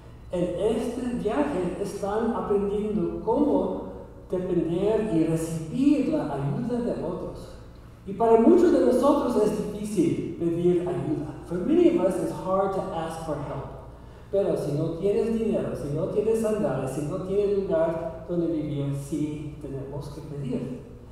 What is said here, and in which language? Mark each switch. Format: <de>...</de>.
<es>En este viaje están aprendiendo cómo depender y recibir la ayuda de otros. Y para muchos de nosotros es difícil pedir ayuda.</es> <en>For many of us, it's hard to ask for help.</en> <es>Pero si no tienes dinero, si no tienes sandales, si no tienes lugar donde vivir, sí tenemos que pedir.</es>